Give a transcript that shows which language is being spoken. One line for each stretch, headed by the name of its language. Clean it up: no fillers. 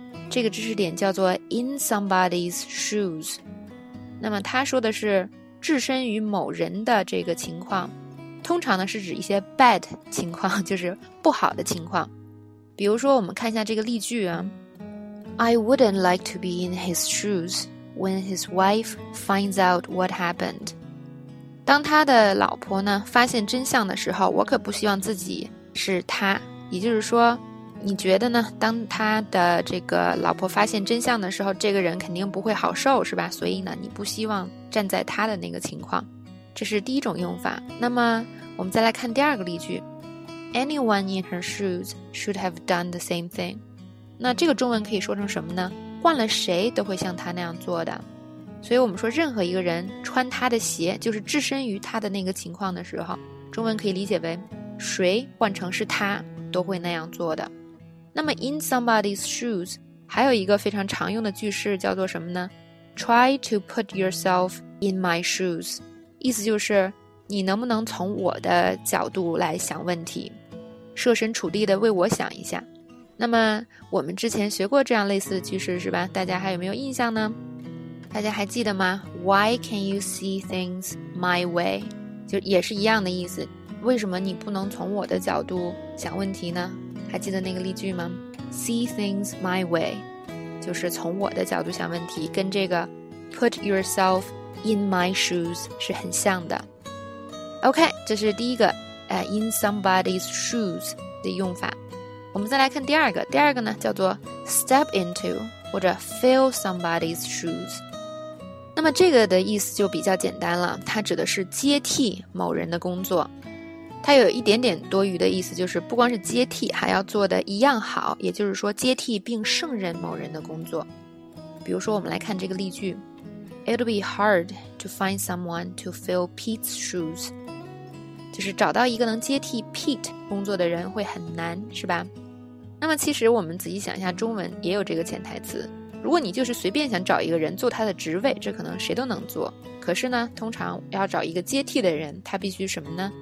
Chinese: 这个知识点叫做 in somebody's shoes。那么他说的是置身于某人的这个情况，通常呢是指一些 bad 情况，就是不好的情况。比如说，我们看一下这个例句啊。
English: I wouldn't like to be in his shoes when his wife finds out what happened.
Chinese: 当他的老婆呢发现真相的时候，我可不希望自己是他。也就是说，你觉得呢？当他的这个老婆发现真相的时候，这个人肯定不会好受，是吧？所以呢，你不希望站在他的那个情况。这是第一种用法。那么，我们再来看第二个例句。
English: Anyone in her shoes should have done the same thing.
Chinese: 那这个中文可以说成什么呢？换了谁都会像他那样做的。所以我们说任何一个人穿他的鞋，就是置身于他的那个情况的时候，中文可以理解为谁换成是他都会那样做的。那么 in somebody's shoes 还有一个非常常用的句式叫做什么呢？
English: try to put yourself in my shoes，
Chinese: 意思就是你能不能从我的角度来想问题，设身处地的为我想一下。那么我们之前学过这样类似的句式是吧？大家还有没有印象呢？大家还记得吗？
English: Why can you see things my way?
Chinese: 就也是一样的意思，为什么你不能从我的角度想问题呢？还记得那个例句吗？
English: See things my way
Chinese: 就是从我的角度想问题，跟这个
English: Put yourself in my shoes
Chinese: 是很像的。 OK， 这是第一个、In somebody's shoes 的用法。我们再来看第二个，第二个呢叫做 step into 或者 fill somebody's shoes。那么这个的意思就比较简单了，它指的是接替某人的工作，它有一点点多余的意思，就是不光是接替，还要做的一样好，也就是说接替并胜任某人的工作。比如说我们来看这个例句。
English: It'll be hard to find someone to fill Pete's shoes。
Chinese: 就是找到一个能接替 Pete 工作的人会很难，是吧？那么其实我们仔细想一下，中文也有这个潜台词。如果你就是随便想找一个人做他的职位，这可能谁都能做。可是呢，通常要找一个接替的人，他必须什么呢？